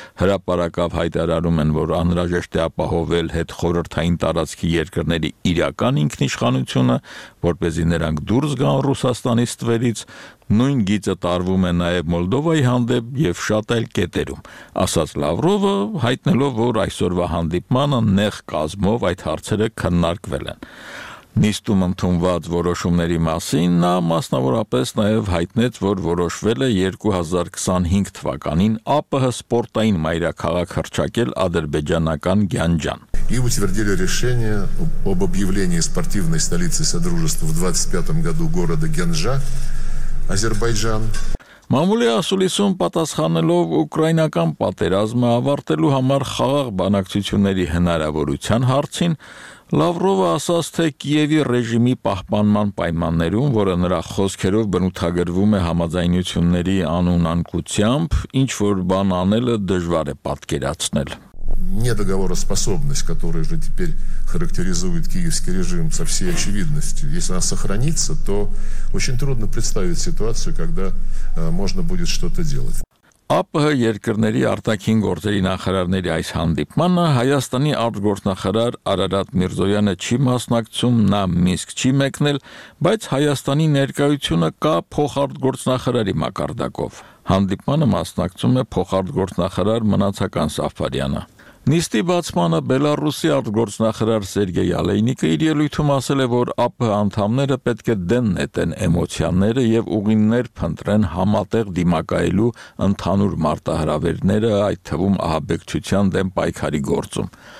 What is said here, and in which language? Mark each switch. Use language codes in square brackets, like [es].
[hy] հրապարակավ հայտարարում են, որ անհրաժեշտ է ապահովել հետխորհրդային տարածքի երկրների իրական ինքնիշխանությունը, որպեսզի նրանք դուրս գան Ռուսաստանի ստվերից։ Նույն գիծը տարվում է նաև Մոլդովայի հանդեպ և շատ այլ կետերում, ասաց Լավրովը, հայտնելով, որ այսօրվա հանդիպմանը նեղ կազմով այդ հարցերը քննարկվել են։ Նիստում ընդունված որոշումների մասին նա մասնավորապես նաև հայտնեց, որ որոշվել է 2025 թվականին ԱՊՀ սպորտային մայրաքաղաք հռչակել ադրբեջանական Գյանջան։ [ru] И утвердили решение об объявлении спортивной столицей содружества в 25-м году города Гянджа. [hy] Ադրբեջան Մամուլի ասուլիսում պատասխանելով ուկրաինական պատերազմը ավարտելու համար խաղաղ բանակցությունների հնարավորության հարցին Լավրովը ասաց, թե Կիևի ռեժիմի պահպանման պայմաններում, որը նրա խոսքերով բնութագրվում է համաձայնությունների անունանկությամբ, ինչ որ բան անելը դժվար է պատկերացնել։ [ru] Недоговороспособность, которая же теперь характеризует киевский режим со всей очевидностью, если она сохранится, то очень трудно представить ситуацию, когда можно будет что-то делать. [hy] ԱՊՀ երկրների արտաքին գործերի նախարարների այս հանդիպմանը Հայաստանի արտգործնախարար Արարատ Միրզոյանը չի մասնակցում, նա Մինսկ չի մեկնել, բայց Հայաստանի ներկայությունը կա փոխարտգործնախարարի մակարդակով։ Հանդիպմանը մասնակցում է փոխարտգործնախարար Մնացական Սաֆարյանը։ Նիստի բացմանը Բելարուսի արտգործնախարար Սերգեյ Ալեյնիկը իր ելույթում ասել է, որ ԱՊՀ անդամները պետք է դեն նետեն էմոցիաները եւ ուղիներ փնտրեն համատեղ դիմակայելու ընդհանուր մարտահրավերները, այդ թվում ահաբեկչության դեմ պայքարի գործում։